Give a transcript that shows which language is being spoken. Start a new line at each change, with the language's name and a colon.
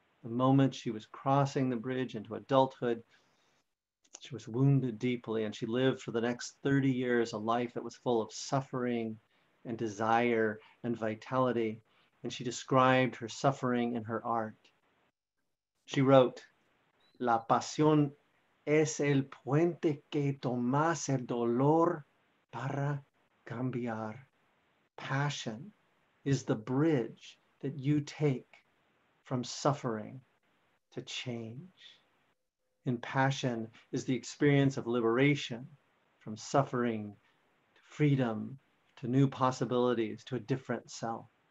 English: The moment she was crossing the bridge into adulthood, she was wounded deeply, and she lived for the next 30 years a life that was full of suffering and desire and vitality. And she described her suffering in her art.
Spanish: She wrote, "La pasión es el puente que tomas el dolor para cambiar.
English: Passion is the bridge that you take from suffering to change." And passion is the experience of liberation from suffering to freedom, to new possibilities, to a different self.